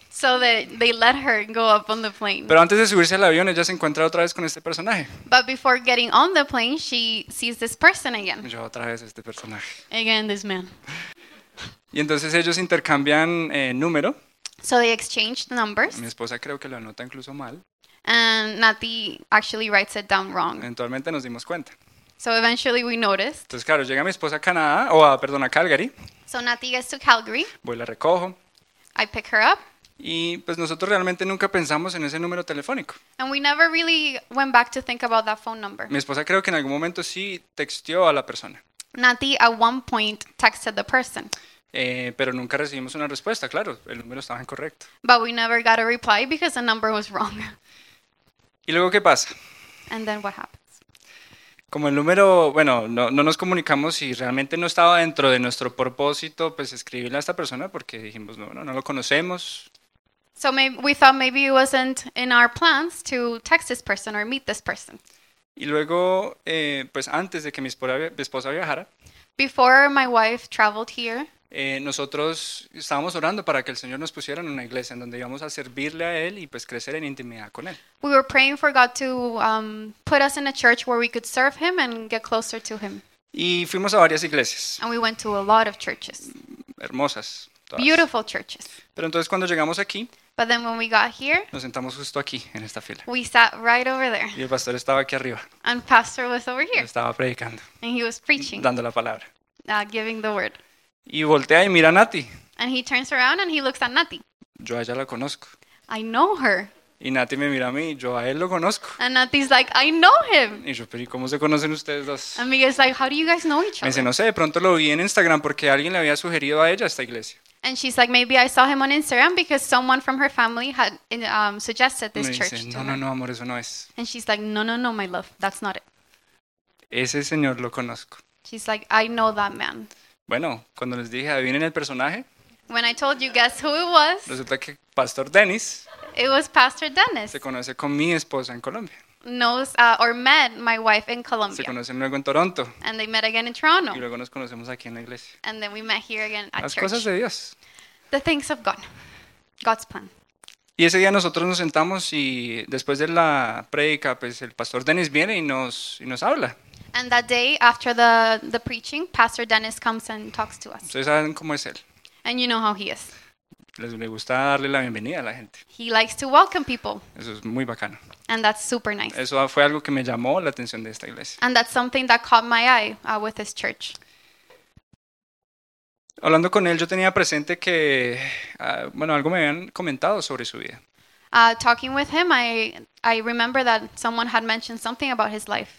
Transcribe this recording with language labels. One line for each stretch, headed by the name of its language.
English: So they let her go up on the plane.
Spanish: Pero antes de subirse al avión, ella se encuentra otra vez con este personaje.
English: But before getting on the plane, she sees this person again.
Spanish: Yo otra vez este personaje.
English: Again this man.
Spanish: Y entonces ellos intercambian número.
English: So they exchanged numbers.
Spanish: Mi esposa creo que lo anota incluso mal.
English: And Nati actually writes it down wrong.
Spanish: Eventualmente nos dimos cuenta.
English: So eventually we noticed.
Spanish: Entonces claro, llega mi esposa a Canadá, a Calgary.
English: So Nati gets to Calgary.
Spanish: Voy, la recojo.
English: I pick her up.
Spanish: Y pues nosotros realmente nunca pensamos en ese número telefónico.
English: And we never really went back to think about that phone number.
Spanish: Mi esposa creo que en algún momento sí texteó a la persona.
English: Nati at one point texted the person.
Spanish: Pero nunca recibimos una respuesta, claro, el número estaba incorrecto.
English: But we never got a reply because the number was wrong.
Spanish: ¿Y luego qué pasa?
English: And then what happens?
Spanish: Como el número, bueno, no nos comunicamos y realmente no estaba dentro de nuestro propósito, pues escribirle a esta persona porque dijimos, no lo conocemos.
English: So maybe we thought maybe it wasn't in our plans to text this person or meet this person.
Spanish: Y luego, pues antes de que mi esposa viajara,
English: before my wife traveled here,
Spanish: nosotros estábamos orando para que el Señor nos pusiera en una iglesia en donde íbamos a servirle a Él y pues crecer en intimidad con Él.
English: We were praying for God to put us in a church where we could serve Him and get closer to Him.
Spanish: Y fuimos a varias iglesias.
English: And we went to a lot of churches.
Spanish: Hermosas. Todas.
English: Beautiful churches.
Spanish: Pero entonces cuando llegamos aquí,
English: but then when we got here,
Spanish: nos sentamos justo aquí, en esta fila.
English: We sat right over there.
Spanish: Y el pastor estaba aquí arriba.
English: And pastor was over here.
Spanish: Estaba predicando.
English: And he was preaching.
Spanish: Dando la palabra.
English: Giving the word.
Spanish: Y voltea y mira a Nati.
English: And he turns around and he looks at Nati.
Spanish: Yo a ella la conozco.
English: I know her.
Spanish: Y Nati me mira a mí, yo a él lo conozco.
English: And Nati's like, I know him.
Spanish: Y yo, pero ¿y cómo se conocen ustedes dos?
English: And Miguel's like, how do you guys know each other?
Spanish: Me dice, no sé, de pronto lo vi en Instagram porque alguien le había sugerido a ella esta iglesia.
English: And she's like, maybe I saw him on Instagram because someone from her family had suggested this
Spanish: me
English: church
Spanish: dice,
English: to
Spanish: no,
English: her.
Spanish: No, no, amor, eso no es.
English: And she's like, no, no, no, my love, that's not it.
Spanish: Ese señor lo conozco.
English: She's like, I know that man.
Spanish: Bueno, cuando les dije, adivinen el personaje.
English: When I told you, guess who it was.
Spanish: Resulta que Pastor Dennis.
English: It was Pastor Dennis.
Spanish: Se conoce con mi esposa en Colombia.
English: Knows or met my wife in Colombia.
Spanish: Se conocen luego en Toronto.
English: And they met again in Toronto.
Spanish: Y luego nos conocemos aquí en la iglesia.
English: And then we met here again at
Spanish: Las
English: church.
Spanish: Las cosas de Dios.
English: The things of God. God's plan.
Spanish: Y ese día nosotros nos sentamos y después de la prédica, pues el Pastor Dennis viene y nos habla.
English: And that day, after the preaching, Pastor Dennis comes and talks to us.
Spanish: Ustedes saben cómo es él.
English: And you know how he is.
Spanish: Le gusta darle la bienvenida a la gente.
English: He likes to welcome people.
Spanish: Eso es muy bacano.
English: And that's super nice.
Spanish: Eso fue algo que me llamó la atención de esta iglesia.
English: And that's something that caught my eye with this church.
Spanish: Hablando con él, yo tenía presente que, bueno, algo me habían comentado sobre su vida.
English: Talking with him, I remember that someone had mentioned something about his life.